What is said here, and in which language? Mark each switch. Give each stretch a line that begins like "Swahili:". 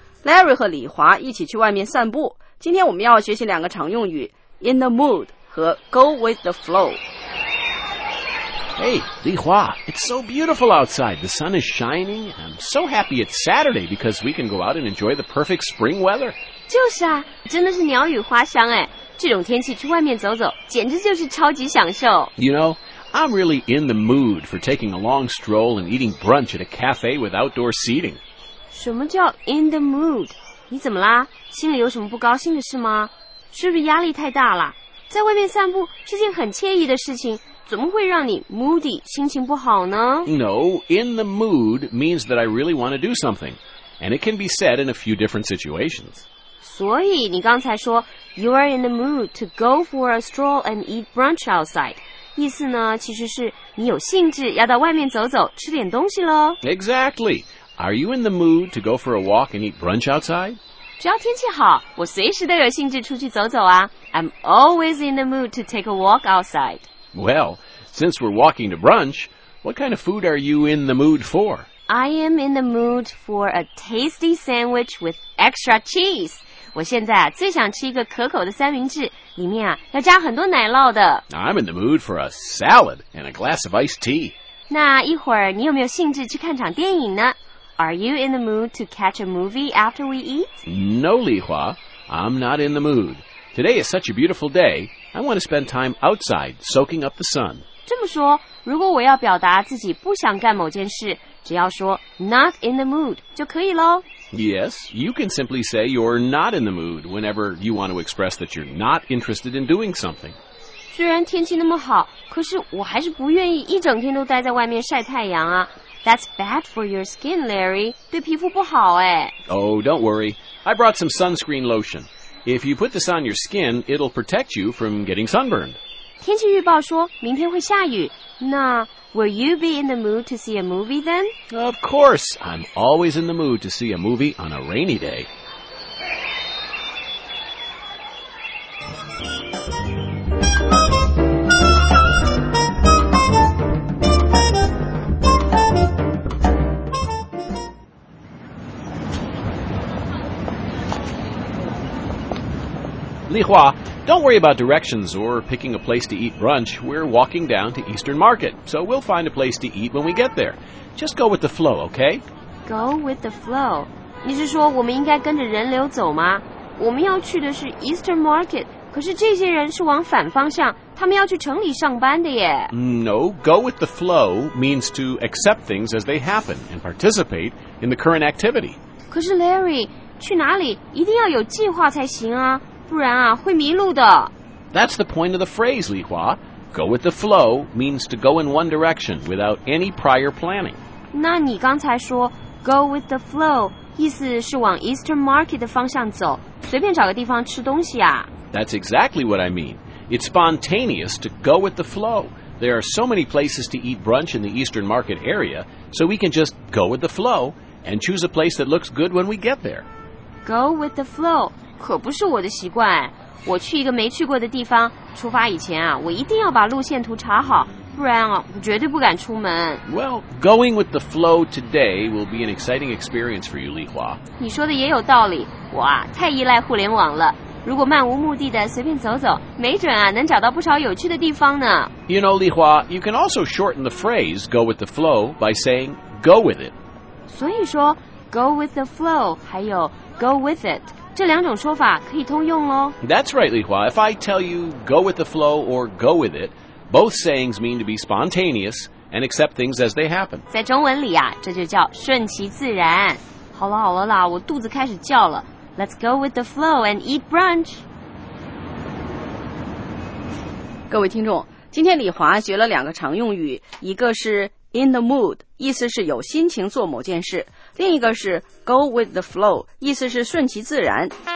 Chinese: Larry 和李华一起去外面散步，今天我们要学习两个常用语，
English: in the mood
Chinese: 和
English: go with the flow。 Hey, 李华， it's so beautiful outside. The sun is shining. I'm so happy it's Saturday because we can go out and enjoy the perfect spring weather.
Chinese: 就是啊，真的是鸟语花香哎，这种天气去外面走走简直就是超级享受。
English: You know,I'm really in the mood for taking a long stroll and eating brunch at a cafe with outdoor seating.
Chinese: 什么叫
English: in the mood?
Chinese: 你怎么啦？心里有什么不高兴的事吗？是不是压力太大了？在外面散步是件很惬意的事情，怎么会让你 moody, 心情不好呢？
English: No, in the mood means that I really want to do something. And it can be said in a few different situations.
Chinese: 所以你刚才说
English: you are in the mood to go for a stroll and eat brunch outside.
Chinese: 意思呢，其实是你有兴致要到外面走走，吃点东西咯。
English: Exactly. Are you in the mood to go for a walk and eat brunch outside?
Chinese: 只要天气好，我随时都有兴致出去走走啊。
English: I'm always in the mood to take a walk outside. Well, since we're walking to brunch, what kind of food are you in the mood for? I am in the mood for a tasty sandwich with extra cheese. 我现在最想吃一个可口的三明治，里面啊要加很多奶酪的。 I'm in the mood for a salad and a glass of iced tea.
Chinese: 那一会儿你有没有兴致去看场电影呢？
English: Are you in the mood to catch a movie after we eat? No, Li Hua, I'm not in the mood. Today is such a beautiful day, I want to spend time outside soaking up the sun.
Chinese: 这么说，如果我要表达自己不想干某件事，只要说
English: not in the mood
Chinese: 就可以咯。
English: Yes, you can simply say you're not in the mood whenever you want to express that you're not interested in doing something.
Chinese: 虽然天气那么好，可是我还是不愿意一整天都待在外面晒太阳啊。
English: That's bad for your skin, Larry.
Chinese: 对皮肤不好哎。
English: Oh, don't worry. I brought some sunscreen lotion. If you put this on your skin, it'll protect you from getting sunburned.
Chinese: 天气预报说明天会下雨。
English: 那 will you be in the mood to see a movie then? Of course, I'm always in the mood to see a movie on a rainy day.
Chinese: 丽华。
English: Don't worry about directions or picking a place to eat brunch. We're walking down to Eastern Market, so we'll find a place to eat when we get there. Just go with the flow, okay? Go with the flow.
Chinese: 你是说我们应该跟着人流走吗？我们要去的是 Eastern Market, 可是这些人是往反方向，他们要去城里上班的耶。
English: No, go with the flow means to accept things as they happen and participate in the current activity.
Chinese: 可是 Larry, 去哪里一定要有计划才行啊。不然啊，会迷路的。
English: That's the point of the phrase, Li Hua. Go with the flow means to go in one direction without any prior planning.
Chinese: 那你刚才说
English: go with the flow
Chinese: 意思是往 Eastern Market 的方向走，随便找个地方吃东西啊。
English: That's exactly what I mean. It's spontaneous to go with the flow. There are so many places to eat brunch in the Eastern Market area, so we can just go with the flow and choose a place that looks good when we get there. Go with the flow.
Chinese: 可不是我的习惯，我去一个没去过的地方，出发以前啊，我一定要把路线图查好，不然啊，我绝对不敢出门。
English: Well, going with the flow today will be an exciting experience for you, Li Hua.
Chinese: 你说的也有道理，我啊，太依赖互联网了。如果漫无目的的随便走走，没准啊，能找到不少有趣的地方呢。
English: You know, Li Hua, you can also shorten the phrase go with the flow by saying go with it.
Chinese: 所以说
English: go with the flow 还有 go with it.
Chinese: 这两种说法可以通用哦。
English: That's right, Li Hua. If I tell you go with the flow or go with it, both sayings mean to be spontaneous and accept things as they happen.
Chinese: 在中文里啊，这就叫顺其自然。好了好了啦，我肚子开始叫了。
English: Let's go with the flow and eat brunch.
Chinese: 各位听众，今天李华学了两个常用语，一个是
English: in the mood,
Chinese: 意思是有心情做某件事。另一个是
English: go with the flow,
Chinese: 意思是顺其自然。